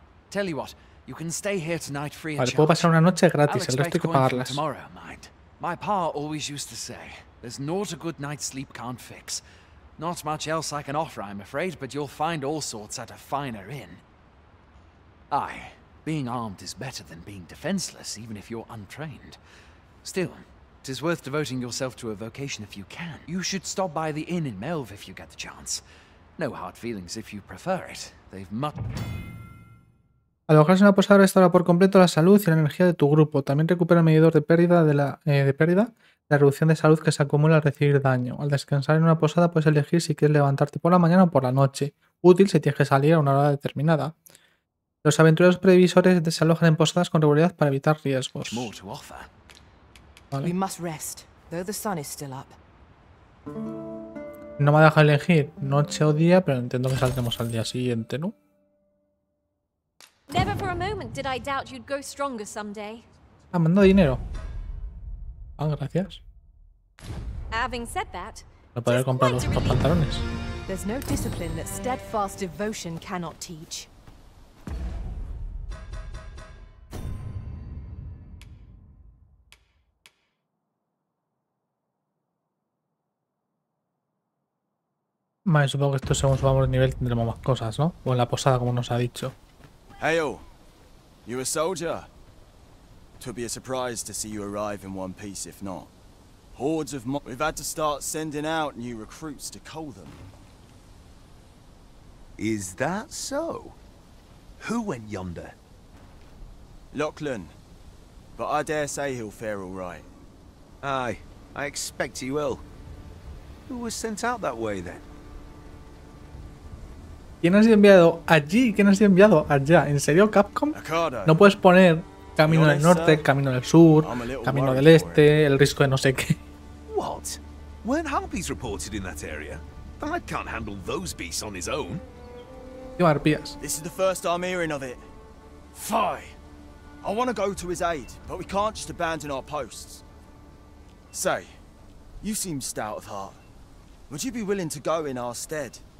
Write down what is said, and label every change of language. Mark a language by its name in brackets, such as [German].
[English] Tell you what, you can stay here tonight free of charge. [Spanish] Vale, puedo pasar una noche gratis, el resto hay que pagarlas. [English] Tomorrow, mind. My pa always used to say, there's not a good night's sleep can't fix. Not much else I can offer, I'm afraid, but you'll find all sorts at a finer inn. Aye, being armed is better than being defenseless, even if you're untrained. Still. It is worth devoting yourself to a vocation if you can. You should stop by the inn in Melv if you get the chance. No hard feelings if you prefer it. They've mut. [Spanish] Alojarse en la posada restaura por completo la salud y la energía de tu grupo. También recupera el medidor de pérdida de la la reducción de salud que se acumula al recibir daño. Al descansar en una posada puedes elegir si quieres levantarte por la mañana o por la noche. Útil si tienes que salir a una hora determinada. Los aventureros previsores desalojan en posadas con regularidad para evitar riesgos. Vale. [English] We must rest, though the sun is still up. [Spanish] No me ha dejado elegir noche o día, pero entiendo que saldremos al día siguiente, ¿no? [English] Never for a moment did I doubt you'd grow stronger someday. [Spanish] Ah, me han dado dinero. Ah, gracias. [English] Having said that, [Spanish] no podré comprar los pantalones. [English] There's no discipline that steadfast devotion cannot teach. [Spanish] Vale, supongo que esto según subamos el nivel tendremos más cosas, ¿no? O en la posada, como nos ha dicho. [English] Hey, oh. You a soldier? To be a surprise to see you arrive in one piece, if not. Hordes of we've had to start sending out new recruits to cull them. Is that so? Who went yonder? Lachlan. But I dare say he'll fare all right. Aye, I expect he will. Who was sent out that way then? [Spanish] ¿Quién ha sido enviado allí? ¿Quién ha sido enviado allá? ¿En serio, Capcom? No puedes poner camino del norte, camino del sur, camino del este, el risco de no sé qué. [English] What? Weren't harpies reported in that area? Thad can't handle those beasts on his own. [Spanish] ¿Qué harpías? [English] This is the first I'm hearing of it. Fie! I want to go to his aid, but we can't just abandon our posts. Say, you seem stout of heart. Would you be willing to go in our stead?